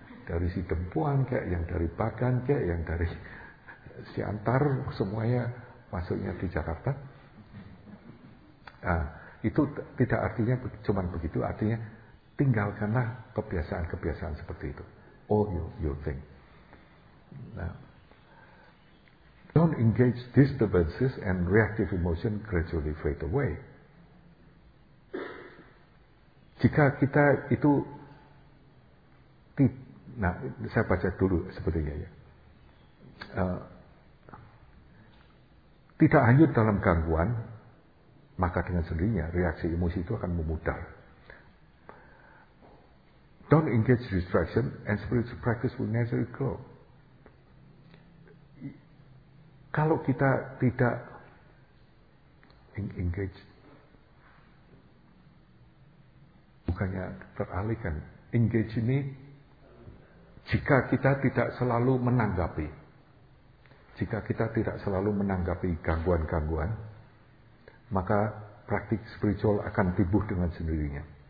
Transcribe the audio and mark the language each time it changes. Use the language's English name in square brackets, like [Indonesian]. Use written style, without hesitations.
[Indonesian] Dari si Dempuan kayak, yang dari Bagan kayak, yang dari si Antar, semuanya masuknya di Jakarta. Nah, itu tidak artinya cuma begitu, artinya tinggalkanlah kebiasaan-kebiasaan seperti itu. [English] All your thing. Now, don't engage disturbances and reactive emotion gradually fade away. [Indonesian] Jika kita itu, nah saya baca dulu sepertinya ya. Tidak hanyut dalam gangguan, maka dengan sendirinya reaksi emosi itu akan memudar. [English] Don't engage distraction and spiritual practice will naturally grow. [Indonesian] Kalau kita tidak engage, bukannya teralihkan, engage ini jika kita tidak selalu menanggapi, jika kita tidak selalu menanggapi gangguan-gangguan, maka praktik spiritual akan tumbuh dengan sendirinya.